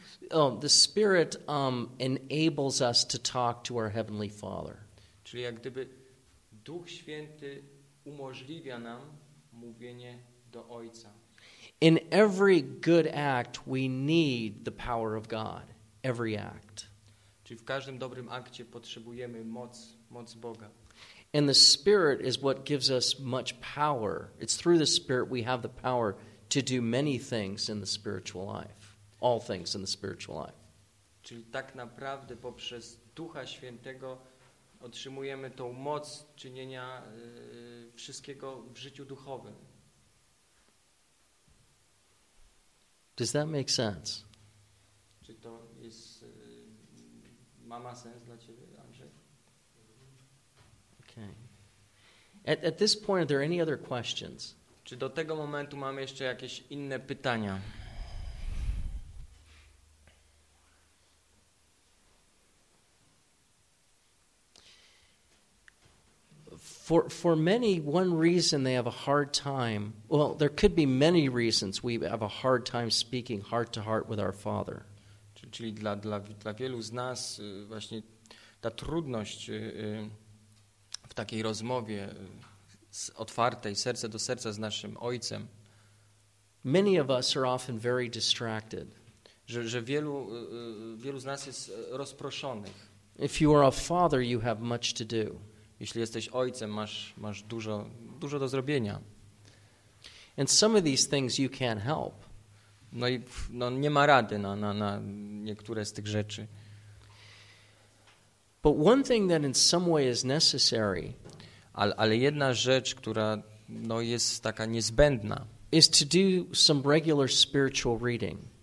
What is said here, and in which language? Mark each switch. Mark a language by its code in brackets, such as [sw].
[en] The Spirit enables us to talk to our Heavenly Father. [pl] Czyli jak gdyby Duch Święty umożliwia nam mówienie do Ojca. [en] In every good act we need the power of God. Every act. [pl] Czyli w każdym dobrym akcie potrzebujemy moc Boga. [en] And the Spirit is what gives us much power. It's through the Spirit we have the power to do many things in the spiritual life. all things in the spiritual life. [pl] Czyli tak naprawdę poprzez Ducha Świętego otrzymujemy tą moc czynienia wszystkiego w życiu duchowym. [en] Does that make sense? [pl] Czy to jest ma sens dla ciebie, Andrzej? [en] Okay. At this point, are there any other questions? [pl] Czy do tego momentu mamy jeszcze jakieś inne pytania? [en] For many, one reason they have a hard time, well, there could be many reasons we have a hard time speaking heart to heart with our Father. [pl] Czyli dla wielu z nas właśnie ta trudność w takiej rozmowie z otwartej serce do serca z naszym Ojcem. [en] Many of us are often very distracted. [pl] Że wielu z nas jest rozproszonych. [en] If you are a father, you have much to do. [pl] Jeśli jesteś ojcem, masz dużo do zrobienia. [en] And some of these things you can't help. [pl] No i no, nie ma rady na niektóre z tych rzeczy. [en] But one thing that in some way is necessary, [pl] ale jedna rzecz, która no, jest taka niezbędna, [en] is to do some regular spiritual reading.